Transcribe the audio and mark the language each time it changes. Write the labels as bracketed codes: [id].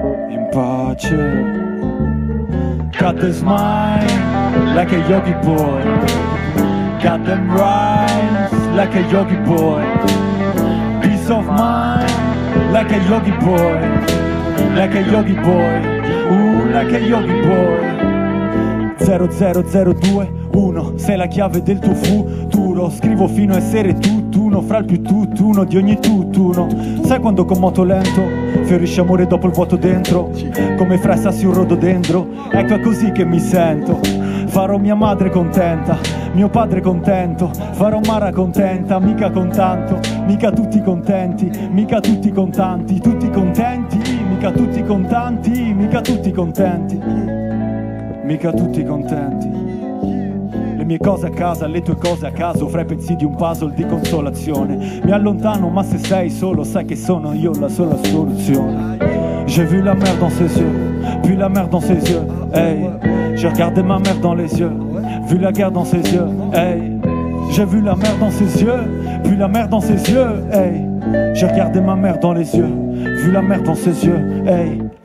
[it] In pace, [en] got the smile like a Yogi boy. Got them rhymes like a Yogi boy. Peace of mind like a Yogi boy. Like a Yogi boy. Ooh, like a Yogi boy. [it] 00021, sei la chiave del tuo futuro. Scrivo fino a essere tutt'uno, fra il più tutt'uno di ogni tutt'uno. Sai quando con moto lento fiorisce amore dopo il vuoto dentro, come fra i sassi un rododendro. Ecco è così che mi sento. Farò mia madre contenta, mio padre contento. Farò Mara contenta, mica con tanto. Mica tutti contenti, mica tutti contanti. Tutti contenti, mica tutti contanti. Mica tutti contenti, mica tutti contenti. Le mie cose a casa, le tue cose a caso, fra i pezzi di un puzzle di consolazione. Mi allontano, ma se sei solo, sai che sono io la sola soluzione. [fr] J'ai vu la mer dans ses yeux, puis la mer dans ses yeux, hey. J'ai regardé ma mère dans les yeux, vu la guerre dans ses yeux, hey. J'ai vu la mer dans ses yeux, puis la mer dans ses yeux, hey. J'ai regardé ma mère dans les yeux, vu la mer dans ses yeux, hey.